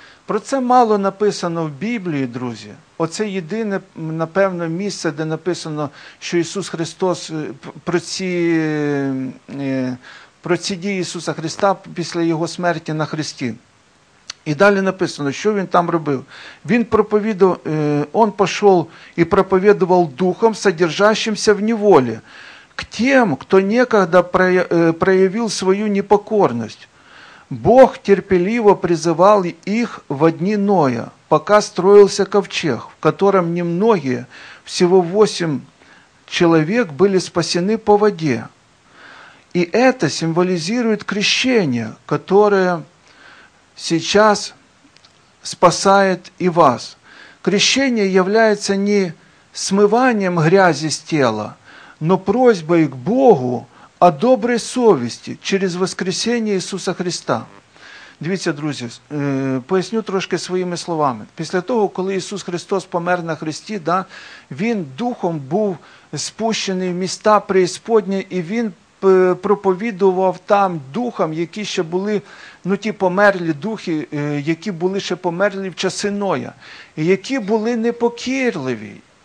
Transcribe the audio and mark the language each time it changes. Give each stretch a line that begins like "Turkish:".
Ukrainian: Про це мало написано в Біблії, друзі. Оце єдине, напевно, місце, де написано, що Ісус Христос, про ці дії Ісуса Христа після Його смерті на хресті. І далі написано, що він там робив. Він проповідував, он пішов і проповідував духом,
Russian: содержащимся в неволі, к тем, кто некогда проявил свою непокорность. Бог терпеливо призывал их в дни Ноя, пока строился ковчег, в котором немногие, всего 8 человек, были спасены по воде. И это символизирует крещение, которое сейчас спасает и вас. Крещение является не смыванием грязи с тела, но просьбой к Богу о доброй совести через воскресение Ісуса Христа.
Ukrainian: Дивіться, друзі, поясню трошки своїми словами. Після того, коли Ісус Христос помер на хресті, да, Він духом був спущений в міста преісподні, і Він проповідував там духам, які ще були, ну ті померлі духи, які були ще померлі в часи Ноя, які були непокірливі.